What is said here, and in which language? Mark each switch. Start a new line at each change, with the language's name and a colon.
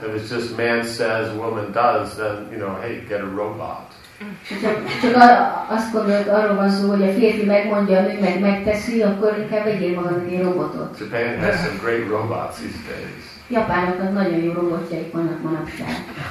English: If it's just man says, woman does, then, you know, hey, get a robot.
Hungarian: Csak azt gondolod, arról van szó, hogy a férfi megmondja, a nő megteszi, akkor inkább vegyél magad egy robotot.
English: Japan has some great robots these days.
Hungarian: Japánoknak nagyon jó robotjaik vannak manapság.